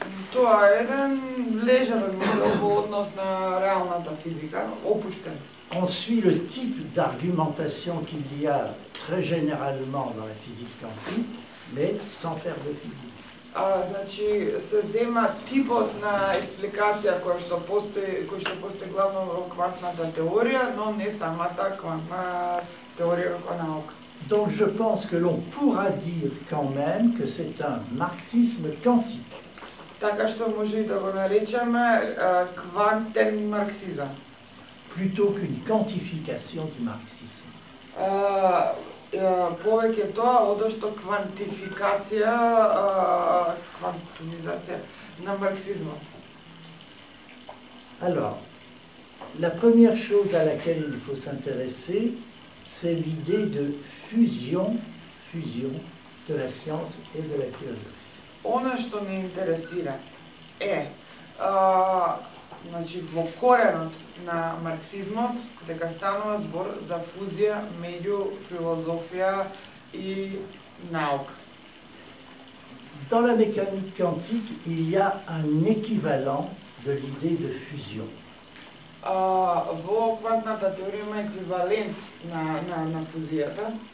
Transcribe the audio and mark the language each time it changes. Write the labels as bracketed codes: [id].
[mk] Тоа е еден лежерен модел во однос на реалната физика, опуштен. [fr] On suit le type d'argumentation qu'il y a très généralement dans la physique quantique, mais sans faire de physique. [mk] Значи се зема типот на експликација кој што постои главно во квантната теорија, но не самата квантна теорија како наука. [fr] Donc je pense que l'on pourra dire quand même que c'est un marxisme quantique. [mk] Така што може да го наречеме квантен марксизам. [fr] Plutôt qu'une quantification du marxisme. [mk] Повеќе тоа одошто квантификација, квантумизација на марксизмот. [fr] Alors, la première chose à laquelle il faut s'intéresser, c'est l'idée de fusion de la science et de la philosophie. [mk] Оно што ни интересира е, значи во коренот на марксизмот, дека станува збор за фузија меѓу филозофија и наука. [fr] Dans la mécanique quantique, il y a un équivalent de l'idée de fusion. [mk] Во квантната теорија има еквивалент на фузијата.